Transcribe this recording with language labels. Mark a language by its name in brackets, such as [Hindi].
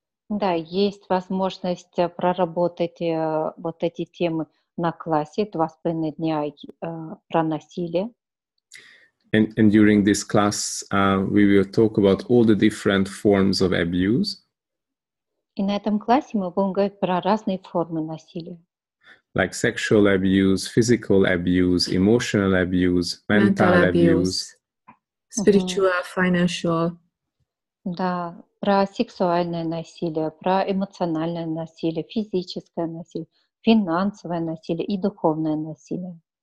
[Russian] Да, есть возможность проработать вот эти темы на классе 2.5 дня про насилие. [English] And during this class, we will talk about all the different forms of abuse. [Russian] И на этом классе мы будем говорить про разные формы насилия. [English] Like sexual abuse, physical abuse, emotional abuse, mental abuse. Spiritual, financial. [Russian] Да, про сексуальное насилие, про эмоциональное насилие, физическое насилие, финансовое насилие и духовное насилие.